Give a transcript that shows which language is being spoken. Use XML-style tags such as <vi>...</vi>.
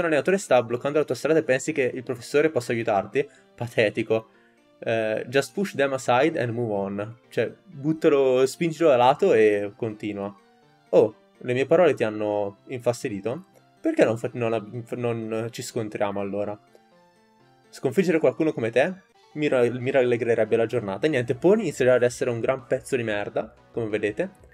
<it>Un allenatore sta bloccando la tua strada e pensi che il professore possa aiutarti? Patetico.</it> <en>Just push them aside and move on.</en> <it>Cioè, buttalo, spingilo da lato e continua. Oh, le mie parole ti hanno infastidito? Perché non ci scontriamo allora? Sconfiggere qualcuno come te mi rallegrerebbe la giornata. Niente, Paul inizierà ad essere un gran pezzo di merda, come vedete.</it>